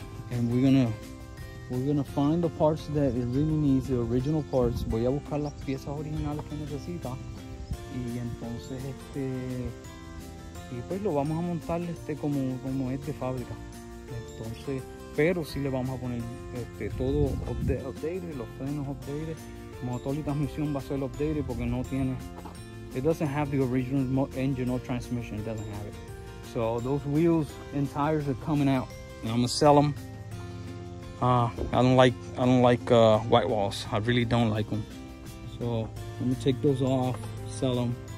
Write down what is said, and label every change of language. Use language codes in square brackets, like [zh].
[en] And we're gonna find the parts that it really needs, the original parts. [es] Voy a buscar las piezas originales que necesita y entonces y pues lo vamos a montar como es de fábrica. Entonces, pero sí le vamos a poner todo updated, los frenos updated, motor y transmisión va a ser updated porque no tiene. [en] It doesn't have the original engine or transmission. It doesn't have it. So those wheels and tires are coming out. And I'm going to sell them. I don't like white walls. I really don't like them. So let me take those off, sell them.